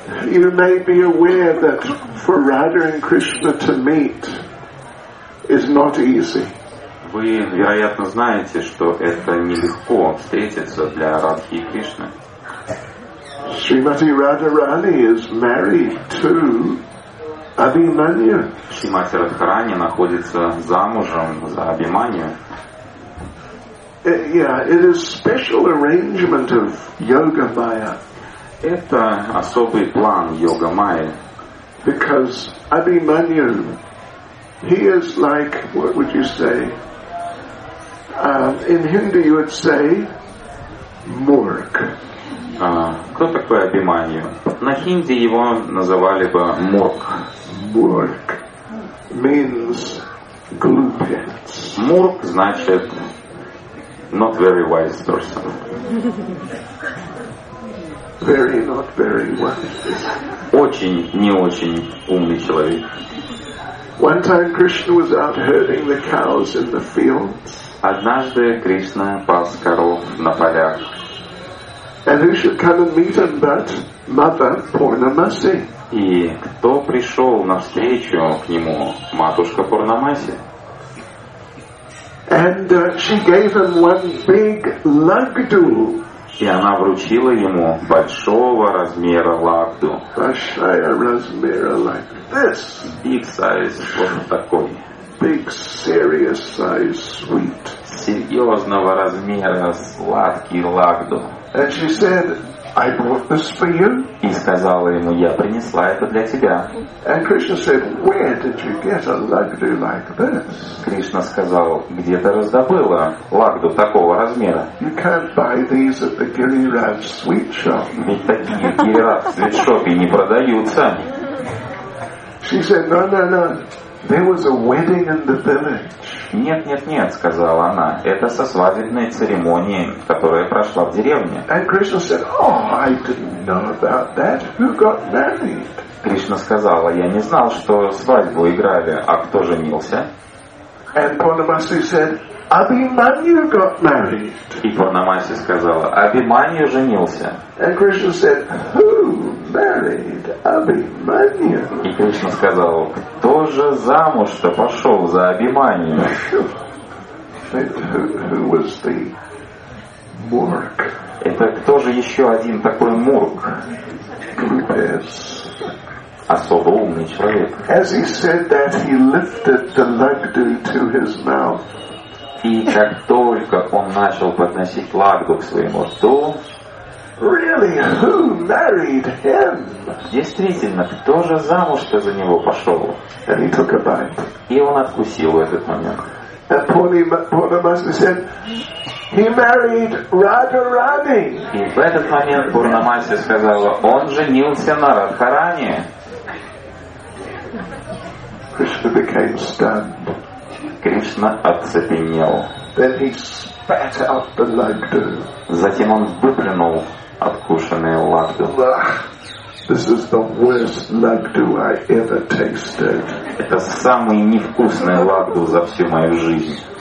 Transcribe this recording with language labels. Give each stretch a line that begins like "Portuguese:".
English: You may be aware that for Radha and Krishna to meet is not easy.
Russian: Вы, вероятно, знаете, что это нелегко встретиться для Радхи и Кришны.
English: Shrimati Radharani is married to Abhimanyu.
Russian: Shrimati Radharani находится замужем за Абхиманью.
English: Yeah, it is special arrangement of Yoga Maya.
Russian: Это особый план Йога Майи.
English: Because Abhimanyu, he is like, what would you say? In Hindi you would say Murk.
Russian: Кто такой Абхиманью? На хинди его называли бы Мурк.
English: Мурк means
Russian: glupец. Мурк значит
English: not very wise person. Very, not very wise.
Russian: Очень, не очень умный человек.
English: One time Krishna was out herding the cows in the fields.
Russian: Однажды Кришна пас коров на полях.
English: And who should come and meet him but Mother Purnamasi?
Russian: И кто пришел навстречу к нему? Матушка Пурнамаси.
English: And she gave him one big lagdu.
Russian: И она вручила ему большого размера лагду. Большая размера,
English: like this. Big size,
Russian: вот такой.
English: Big serious size, sweet.
Russian: Серьезного размера сладкий лагду.
English: And she said, I brought this for you.
Russian: И сказала ему, я принесла это для тебя.
English: And Krishna said, where did you get a lagdu like this?
Russian: Кришна сказал, где ты раздобыла лагду такого размера?
English: You can't buy these at the Giriraj sweet shop.
Russian: Ведь такие Giriraj sweet shop не продаются.
English: She said, no, no, no. There was a wedding in the village.
Russian: Нет, нет, нет, сказала она. Это со свадебной церемонией, которая прошла в деревне.
English: And Krishna said, oh, I didn't know about that. Who got married?
Russian: Кришна сказала, я не знал, что свадьбу играли, а кто женился?
English: And Purnamasi said, Abhimanyu got married.
Russian: И Пурнамаси сказала, Абхиманью женился.
English: And Krishna said, who married Abhimanyu?
Russian: И Кришна сказал, кто же замуж-то пошел за Абхиманью?
English: Who was the Murk?
Russian: Это кто же еще один такой Мурк?
English: Yes.
Russian: Особо умный человек.
English: As he said that, he lifted the lagdu to his mouth.
Russian: И как только он начал подносить лагду к своему рту,
English: really, who married him?
Russian: Действительно, кто же замуж-то за него пошел?
English: And he took a bite.
Russian: И он откусил этот момент.
English: And Purnamasi said, he married Radharani.
Russian: И в этот момент Пурнамаси сказала, он женился на Радхарани.
English: Krishna became stunned.
Russian: Кришна оцепенел.
English: Then he spat out the lagdu.
Russian: Затем он выплюнул откушенное лагду.
English: This is the worst lagdu I ever tasted.
Russian: Это самый невкусный лагду за всю мою жизнь.